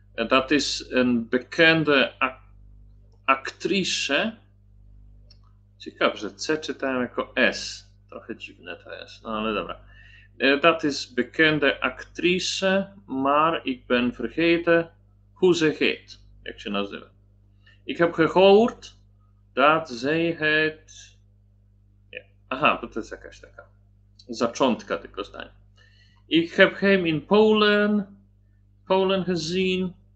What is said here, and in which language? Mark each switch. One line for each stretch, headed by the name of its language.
Dutch: Dat is een bekende actrice.
Polish: Ciekawe, że C czytałem jako S. Trochę dziwne to jest, no ale dobra.
Dutch: Dat is bekende actrice, maar ik ben vergeten hoe ze heet,
Polish: jak się nazywa.
Dutch: Ik heb gehoord dat ze heet...
Polish: Nie. Aha, bo to jest jakaś taka zaczątka tego zdania.
Dutch: Ik heb hem in Polen gezien.